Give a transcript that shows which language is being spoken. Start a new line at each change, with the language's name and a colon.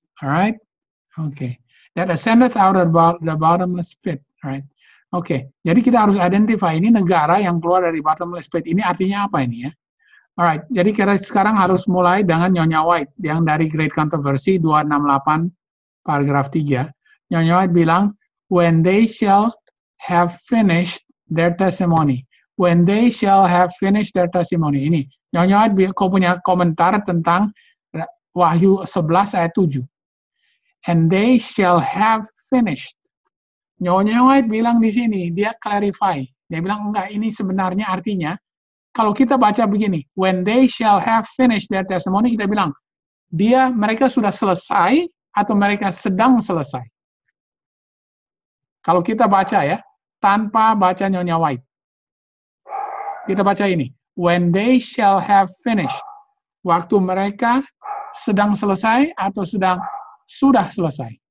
English: Alright? Okay. That ascendeth out of the bottomless pit. Right. Okay.
Indonesian: Jadi kita harus identify ini negara yang keluar dari bottomless pit. Ini artinya apa ini ya? Alright. Jadi kita sekarang harus mulai dengan Nyonya White yang dari Great Controversy 268 paragraf 3. Nyonya White bilang,
English: when they shall have finished their testimony. When they shall have finished their testimony.
Indonesian: Ini. Nyonya White kok punya komentar tentang Wahyu 11 ayat 7.
English: And they shall have finished.
Indonesian: Nyonya White bilang di sini, dia clarify. Dia bilang, enggak, ini sebenarnya artinya, kalau kita baca begini,
English: when they shall have finished their testimony,
Indonesian: kita bilang, mereka sudah selesai atau mereka sedang selesai. Kalau kita baca ya, tanpa baca Nyonya White. Kita baca ini,
English: when they shall have finished.
Indonesian: Waktu mereka sedang selesai atau sudah selesai.